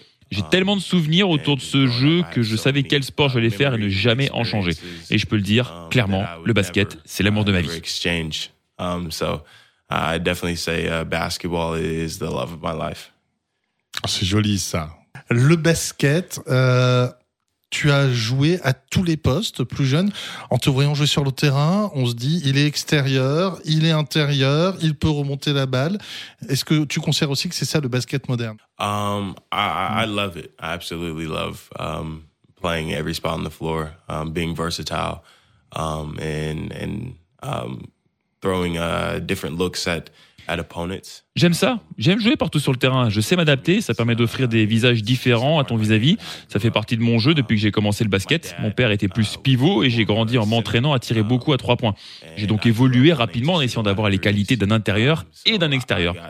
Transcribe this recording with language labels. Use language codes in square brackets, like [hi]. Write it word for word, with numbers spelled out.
[fr] J'ai tellement de souvenirs autour de ce jeu que je savais quel sport je voulais faire et ne jamais en changer. Et je peux le dire clairement, le basket, c'est l'amour de ma vie. [en] I definitely say basketball is the love of my life. [fr] C'est joli, ça. Le basket, euh, tu as joué à tous les postes, plus jeune. En te voyant jouer sur le terrain, on se dit, il est extérieur, il est intérieur, il peut remonter la balle. Est-ce que tu considères aussi que c'est ça, le basket moderne? [en] Um, I, I love it. I absolutely love um, playing every spot on the floor, um, being versatile, um, and, and um, throwing uh, different looks at [fr] J'aime ça, j'aime jouer partout sur le terrain, je sais m'adapter, ça permet d'offrir des visages différents à ton vis-à-vis, ça fait partie de mon jeu depuis que j'ai commencé le basket, mon père était plus pivot et j'ai grandi en m'entraînant à tirer beaucoup à trois points. J'ai donc évolué rapidement en essayant d'avoir les qualités d'un intérieur et d'un extérieur.